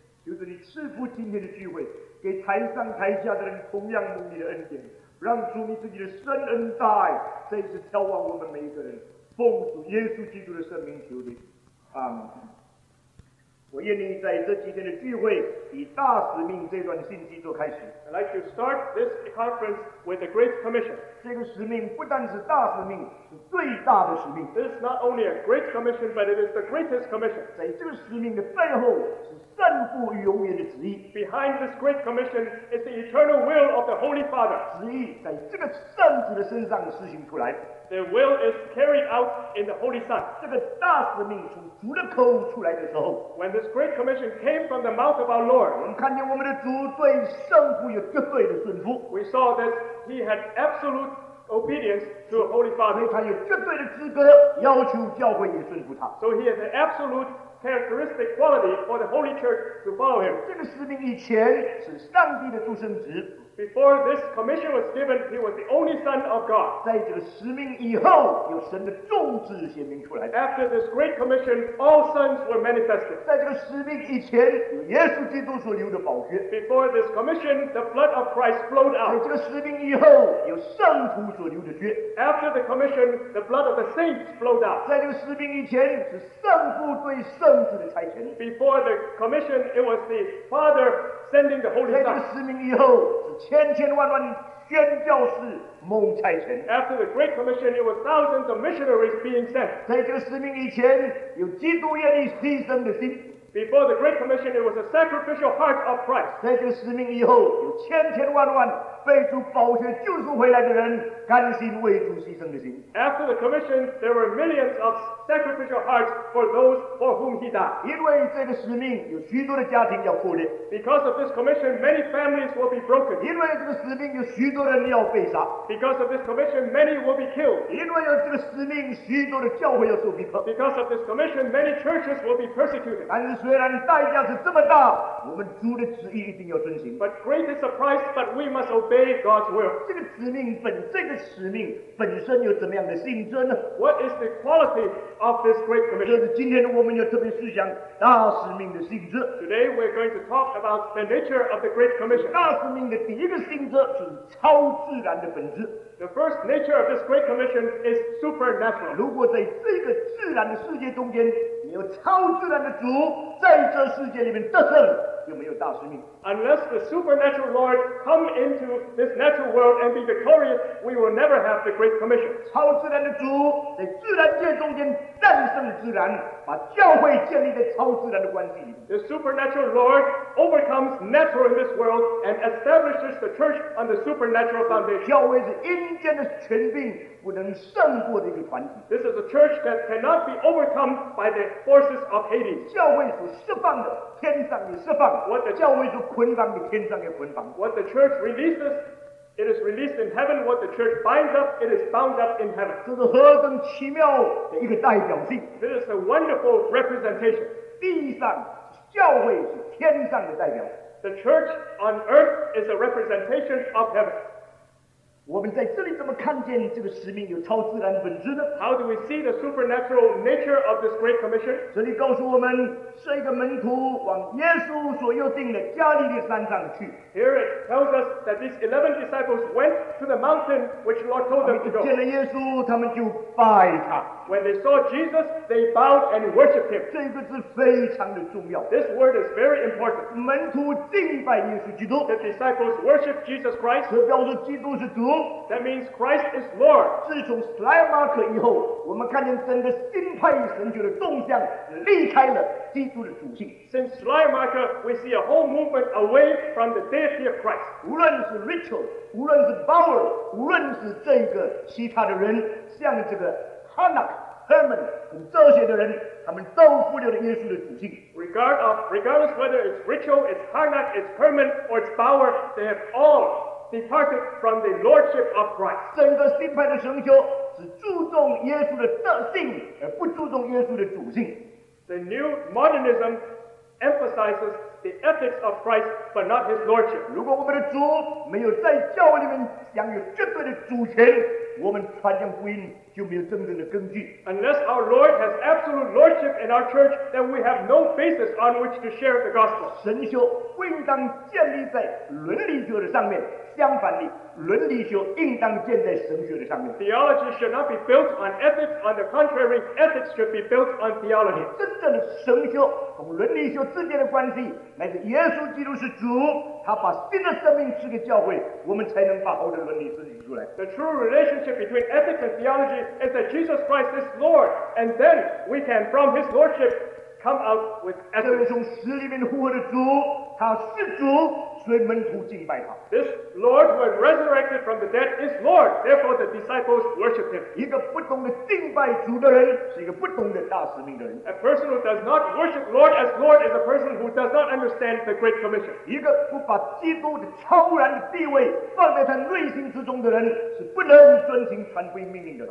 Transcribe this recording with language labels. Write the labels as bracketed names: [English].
[Chinese] 求主你赐福今天的聚会，给台上台下的人同样蒙你的恩典，让主你自己的深恩大爱再次浇灌我们每一个人。奉主耶稣基督的圣名求你，阿门。我愿你在这几天的聚会以大使命这段信息做开始。 [English] I'd like to start this conference with the Great Commission. [Chinese] 这个使命不单是大使命，是最大的使命。 [English] This is not only a Great Commission, but it is the greatest commission. [Chinese] 在这个使命的背后是圣父永远的旨意。 [English] Behind this Great Commission is the eternal will of the Holy Father. [Chinese] 旨意在这个圣子的身上施行出来。 [English] The will is carried out in the Holy Son. [Chinese] 这个大使命从主的口出来的时候， [English] when this great commission came from the mouth of our Lord, [Chinese] 我们看见我们的主对圣父有绝对的顺服。 [English] We saw that he had absolute obedience to the Holy Father. [Chinese] 他有绝对的资格要求教会也顺服他。 [English] So he has an absolute characteristic quality for the Holy Church to follow him. [Chinese] 这个使命以前是上帝的独生子。 [English] Before this commission was given, he was the only son of God. [Chinese] 在这个使命以后，有神的众子显明出来。 [English] After this great commission, all sons were manifested. [Chinese] 在这个使命以前，有耶稣基督所流的宝血。 [English] Before this commission, the blood of Christ flowed out. [Chinese] 在这个使命以后，有圣徒所流的血。 [English] After the commission, the blood of the saints flowed out. [Chinese] 在这个使命以前，是圣父对圣子的差遣。 [English] Before the commission, it was the Father sending the Holy Son. [Chinese] 在这个使命以后，千千万万宣教士蒙差遣。 [English] After the Great Commission, it was thousands of missionaries being sent. [Chinese] 在这个使命以前，有基督愿意牺牲的心。 [English] Before the Great Commission, it was a sacrificial heart of Christ. [Chinese] 在这个使命以后，有千千万万被主宝血救赎回来的人，甘心为主牺牲的心。 [English] After the Commission, there were millions of sacrificial hearts for those for whom he died. [Chinese] 因为这个使命，有许多的家庭要破裂。 [English] Because of this Commission, many families will be broken. [Chinese] 因为这个使命，有许多人要被杀。 [English] Because of this Commission, many will be killed. [Chinese] 因为有这个使命，许多的教会要受逼迫。 [English] Because of this Commission, many churches will be persecuted. [Chinese] 但是虽然代价是这么大，我们主的旨意一定要遵行。 [English] But great is the price, but we must obey. God's will. [Chinese] 这个使命本这个使命本身有怎么样的性质呢？ [English] What is the quality of this great commission? [Chinese] 就是今天我们要特别思想大使命的性质。 [English] Today we're going to talk about the nature of the great commission. [Chinese] 大使命的第一个性质是超自然的本质。 [English] The first nature of this great commission is supernatural. [Chinese] 如果在这个自然的世界中间有超自然的主在这世界里面得胜，有没有大使命？ [English] Unless the supernatural Lord come into this natural world and be victorious, we will never have the Great Commission. [Chinese] 超自然的主在自然界中间战胜了自然，把教会建立在超自然的关系里。 [English] The supernatural Lord overcomes natural in this world and establishes the church on the supernatural foundation. [Chinese] 教会是阴间的权柄不能胜过的一个团体。 [English] This is a church that cannot be overcome by the forces of Hades. [Chinese] 教会所释放的天上也释放， [English] What the [Chinese] 教会所捆绑的天上也捆绑。 [English] What the church releases It is released in heaven. What the church binds up, it is bound up in heaven. [Chinese] 这是何等奇妙的一个代表性。 [English] This is a wonderful representation. [Chinese] 地上教会是天上的代表。 [English] The church on earth is a representation of heaven. [Chinese] 我们在这里怎么看见这个使命有超自然本质呢？ [English] How do we see the supernatural nature of this great commission? [Chinese] 这里告诉我们，设一个门徒往耶稣所预定的加利利山上去。 [English] Here it tells us that these 11 disciples went to the mountain which the Lord told them to go. [Chinese] 见了耶稣，他们就拜他。 [English] When they saw Jesus, they bowed and worshipped him. [Chinese] 这个字非常的重要。 [English] This word is very important. [Chinese] 门徒敬拜耶稣基督。 [English] The disciples worshipped Jesus Christ. [Chinese] 这表示基督是主。 [English] That means Christ is Lord. [Chinese] 自从史莱马可以后，我们看见整个新派神学的动向离开了。 [English] Since Schleiermacher, we see a whole movement away from the deity of Christ. [Chinese] 无论是 Richard, 无论是 Bauer, 无论是这个其他的人，像这个 Hanak, Herman, 等这些的人，他们都忽略了耶稣的主性。 [English] Regardless whether it's Richard, it's Hanak, it's Herman, or it's Bauer, they have all departed from the lordship of Christ. [Chinese] 整个新派的神学只注重耶稣的德性，而不注重耶稣的主性。 [English] The new modernism emphasizes the ethics of Christ, but not his lordship. [Chinese] 如果我们的主没有在教会里面享有绝对的主权，我们传讲福音就没有真正的根据。 [English] Unless our Lord has absolute lordship in our church, then we have no basis on which to share the gospel. [Chinese] 神学不应当建立在伦理学的上面，相反的，伦理学应当建在神学的上面。 [English] Theology should not be built on ethics. On the contrary, ethics should be built on theology. [Chinese] 真正的神学和伦理学之间的关系，乃是耶稣基督是主，他把新的生命赐给教会，我们才能把好的伦理施行出来。 [English] The true relationship between ethics and theology is that Jesus Christ is Lord, and then we can, from His lordship, come out with ethics. [Chinese] 这位从死里面复活的主，他是主。所以门徒敬拜他。 [English] This Lord who had resurrected from the dead is Lord. Therefore, the disciples worship him. [Chinese] 一个不懂得敬拜主的人，是一个不懂得大使命的人。 [English] A person who does not worship Lord as Lord is a person who does not understand the Great Commission. [Chinese] 一个不把基督的超然的地位放在他内心之中的人，是不能遵行传福音命令的。